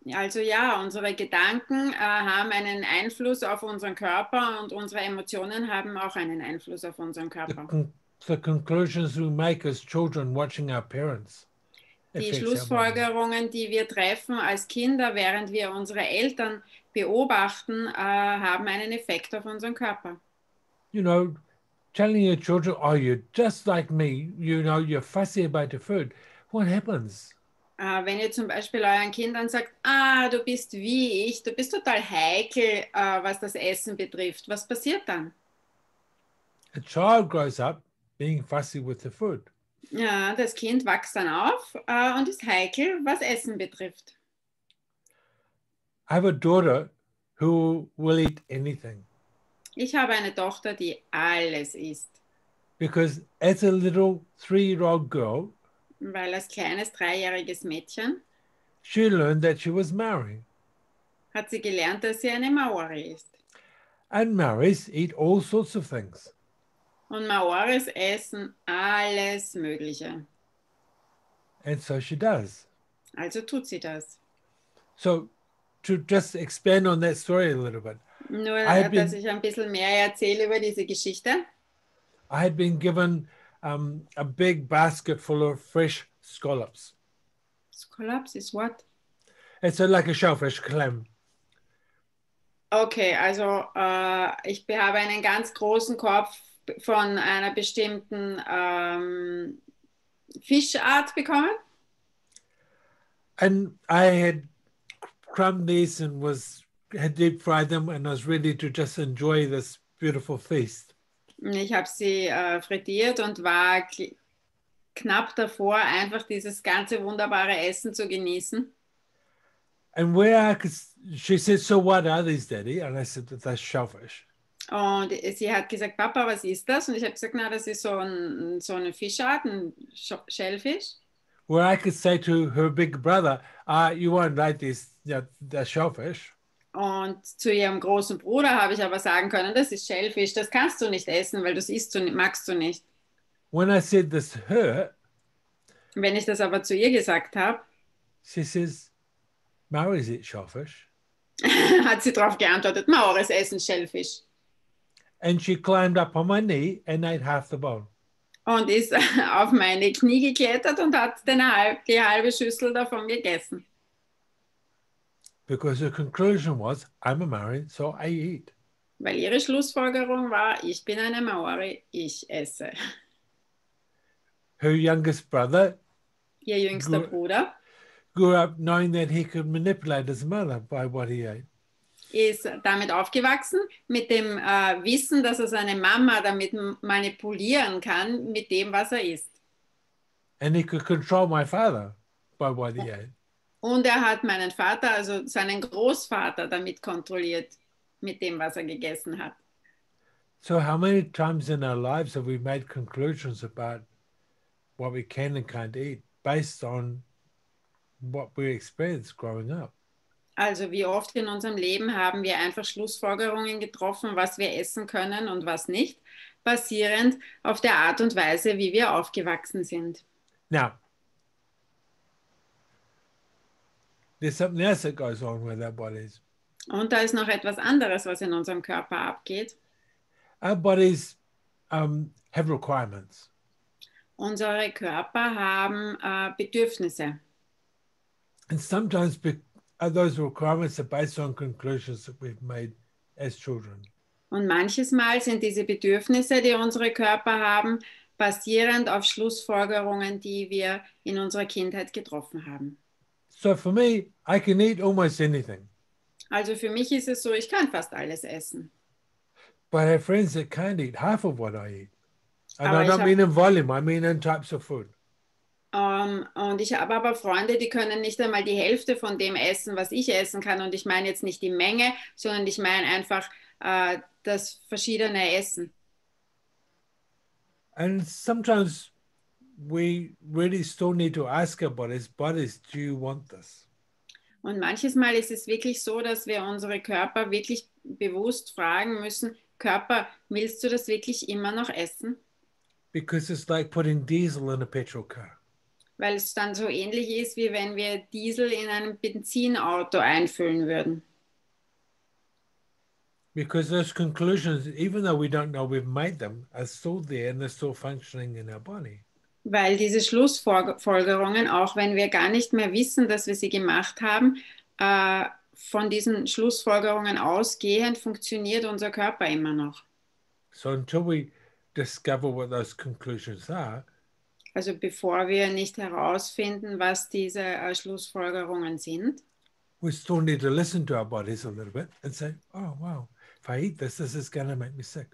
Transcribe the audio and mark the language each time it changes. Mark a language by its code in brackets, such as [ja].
[de] Also ja, unsere Gedanken haben einen Einfluss auf unseren Körper und unsere Emotionen haben auch einen Einfluss auf unseren Körper. [en] The conclusions we make as children watching our parents. [de] Die Schlussfolgerungen, die wir treffen als Kinder, während wir unsere Eltern beobachten, haben einen Effekt auf unseren Körper. [en] You know, telling your children, oh, you're just like me, you know, you're fussy about the food. What happens? [de] Wenn ihr zum Beispiel euren Kindern sagt, du bist wie ich, du bist total heikel, was das Essen betrifft, was passiert dann? [en] A child grows up being fussy with the food. [de] Ja, das Kind wächst dann auf und ist heikel, was Essen betrifft. [en] I have a daughter who will eat anything. [de] Ich habe eine Tochter, die alles isst. [en] Because as a little three-year-old girl, [de] weil als kleines dreijähriges Mädchen, [en] she learned that she was Maori. [de] Hat sie gelernt, dass sie eine Maori ist. [en] And Maoris eat all sorts of things. [de] Und Maoris essen alles Mögliche. [en] And so she does. [de] Also tut sie das. [en] So, to just expand on that story a little bit. [de] nur, dass ich ein bisschen mehr erzähle über diese Geschichte. [en] I had been given a big basket full of fresh scallops. Scallops is what? It's like a shellfish clam. [de] Okay, also ich habe einen ganz großen Korb von einer bestimmten Fischart bekommen. [en] And I had crumbed these and was had deep fried them and was ready to just enjoy this beautiful feast. [de] Ich habe sie frittiert und war knapp davor, einfach dieses ganze wunderbare Essen zu genießen. [en] And where I could, she said, so what are these, Daddy? And I said, that's shellfish. [de] Und sie hat gesagt, Papa, was ist das? Und ich habe gesagt, na, das ist so eine Fischart, ein Schellfisch. [en] Where I could say to her big brother, you won't like this, that's shellfish. [de] Und zu ihrem großen Bruder habe ich aber sagen können, das ist Schellfisch, das kannst du nicht essen, weil das isst du, magst du nicht. [en] When I said this her, [de] wenn ich das aber zu ihr gesagt habe, [en] she says, Maoris eat shellfish. [de] Hat sie darauf geantwortet, Maoris essen Schellfisch. [en] And she climbed up on my knee and ate half the bone. [de] Und ist auf meine Knie geklettert und hat die halbe Schüssel davon gegessen. [en] Because her conclusion was, I'm a Maori, so I eat. [de] Weil ihre Schlussfolgerung war, ich bin eine Maori, ich esse. [en] Her youngest brother, [de] ihr jüngster Bruder, [en] grew up knowing that he could manipulate his mother by what he ate. [de] Ist damit aufgewachsen, mit dem Wissen, dass er seine Mama damit manipulieren kann, mit dem, was er isst. [en] And he could control my father by what he ate. [de] Und er hat meinen Vater, also seinen Großvater, damit kontrolliert, mit dem, was er gegessen hat. [en] So how many times in our lives have we made conclusions about what we can and can't eat based on what we experienced growing up? [de] Also wie oft in unserem Leben haben wir einfach Schlussfolgerungen getroffen, was wir essen können und was nicht, basierend auf der Art und Weise, wie wir aufgewachsen sind. [en] Now, there's something else that goes on with our bodies. [de] Und da ist noch etwas anderes, was in unserem Körper abgeht. [en] Our bodies have requirements. [de] Unsere Körper haben Bedürfnisse. [en] And sometimes those requirements are based on conclusions that we've made as children. [de] Und manches Mal sind diese Bedürfnisse, die unsere Körper haben, basierend auf Schlussfolgerungen, die wir in unserer Kindheit getroffen haben. [en] So for me, I can eat almost anything. [de] Also für mich ist es so, ich kann fast alles essen. [en] But I have friends that can't eat half of what I eat. And I don't mean in volume, I mean in types of food. [de] Und ich habe aber Freunde, die können nicht einmal die Hälfte von dem essen, was ich essen kann. Und ich meine jetzt nicht die Menge, sondern ich meine einfach das verschiedene Essen. [en] And sometimes we really still need to ask our bodies, do you want this? [de] Und manches Mal ist es wirklich so, dass wir unsere Körper wirklich bewusst fragen müssen, Körper, willst du das wirklich immer noch essen? [en] Because it's like putting diesel in a petrol car. [de] Weil es dann so ähnlich ist, wie wenn wir Diesel in einem Benzinauto einfüllen würden. [en] Because those conclusions, even though we don't know we've made them, are still there and they're still functioning in our body. [de] Weil diese Schlussfolgerungen, auch wenn wir gar nicht mehr wissen, dass wir sie gemacht haben, von diesen Schlussfolgerungen ausgehend funktioniert unser Körper immer noch. [en] So until we discover what those conclusions are, [de] also bevor wir nicht herausfinden, was diese Schlussfolgerungen sind, [en] we still need to listen to our bodies a little bit and say, oh wow, if I eat this, this is going to make me sick.